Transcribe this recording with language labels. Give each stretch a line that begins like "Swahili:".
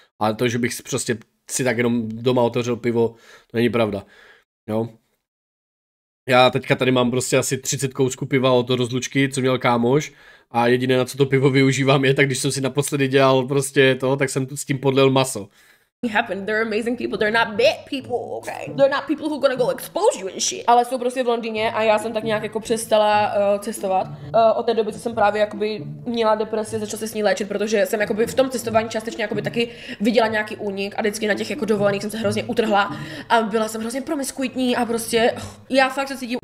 Czech: Ale to, že bych prostě si tak jenom doma otevřel pivo, to není pravda. Jo? Já teďka tady mám prostě asi 30 kousků piva od rozlučky, co měl kámoš. A jediné, na co to pivo využívám, je tak, když jsem si naposledy dělal prostě to, tak jsem s tím podlil maso.
English: Happened. They're amazing people. They're not bad people, okay? They're not people who gonna go expose you and shit.
Czech: Ale jsou prostě v Londýně a já jsem tak nějak jako přestala cestovat. Od té doby, co jsem právě jakoby měla depresi, začala se s ní léčit, protože jsem jakoby v tom cestování částečně jakoby taky viděla nějaký únik a vždycky na těch jako dovolených jsem se hrozně utrhla a byla jsem hrozně promiskuitní a prostě já fakt se cítím.